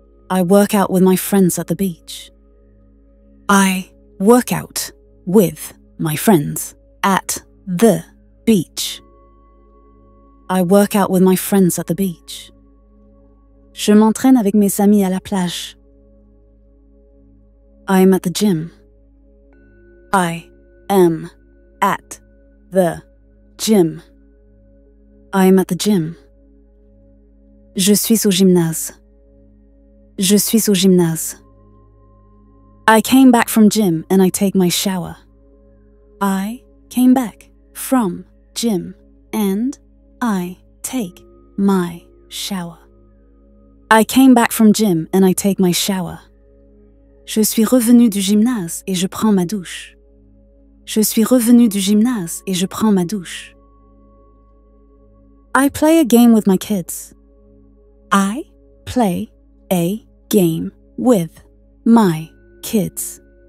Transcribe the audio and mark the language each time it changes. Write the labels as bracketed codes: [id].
[en] I work out with my friends at the beach. I work out with my friends at the beach. I work out with my friends at the beach. [fr] Je m'entraîne avec mes amis à la plage. [en] I am at the gym. I am at the gym. I am at the gym. [fr] Je suis au gymnase. Je suis au gymnase. [en] I came back from gym and I take my shower. I came back from gym and I take my shower. I came back from gym and I take my shower. [fr] Je suis revenu du gymnase et je prends ma douche. Je suis revenu du gymnase et je prends ma douche. [en] I play a game with my kids. I play a game with my kids.